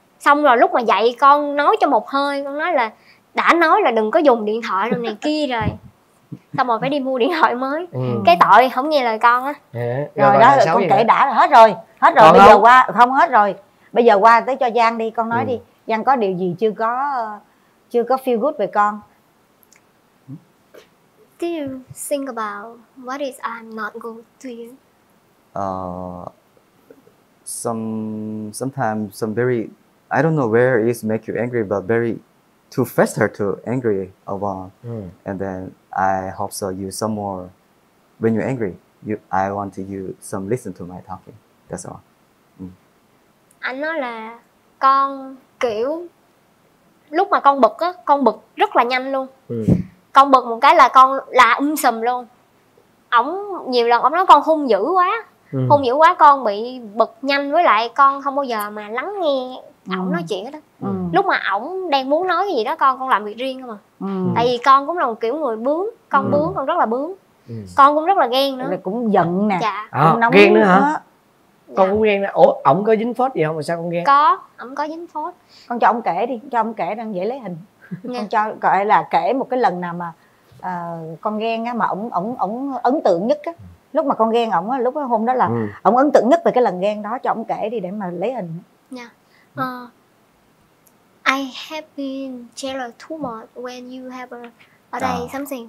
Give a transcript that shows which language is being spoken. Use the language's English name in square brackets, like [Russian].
[Vietnamese] Xong rồi lúc mà dậy con nói cho một hơi, con nói là đã nói là đừng có dùng điện thoại rồi này kia rồi. Xong rồi phải đi mua điện thoại mới. Cái tội không nghe lời con á. Rồi đó, con kể đã là hết rồi. Hết rồi, bây giờ qua, không hết rồi. Bây giờ qua tới cho Giang đi, con nói đi. Giang có điều gì chưa có [English] feel good [Vietnamese] về con? [English] Do you think about what is I'm not good to you? Sometimes very, I don't know where it make you angry, but very too fast her to angry about. And then I hope so you some more when you're angry. I want to you some listen to my talking. That's all. [Vietnamese] Anh nói là con kiểu lúc mà con bực á, con bực rất là nhanh luôn. Con bực một cái là con là sùm luôn. Ổng nhiều lần ổng nói con hung dữ quá. Hung dữ quá con bị bực nhanh, với lại con không bao giờ mà lắng nghe ổng nói chuyện hết đó. Lúc mà ổng đang muốn nói gì đó con làm việc riêng mà. Tại vì con cũng là một kiểu người bướng, con bướng, con rất là bướng. Con cũng rất là ghen nữa. Mày cũng giận nè. Dạ. Ghen nữa hả? Con cũng ghen nè. Ủa, ổng có dính phốt gì không mà sao con ghen? Có, ổng có dính phốt. Con cho ổng kể đi, cho ổng kể đang dễ lấy hình. Con cho gọi là kể một cái lần nào mà con ghen á, mà ổng ấn tượng nhất á. Lúc mà con ghen ổng á, lúc hôm đó là ổng ấn tượng nhất về cái lần ghen đó, cho ổng kể đi để mà lấy hình. Nha. [English] I have been jealous too much when you have a day something.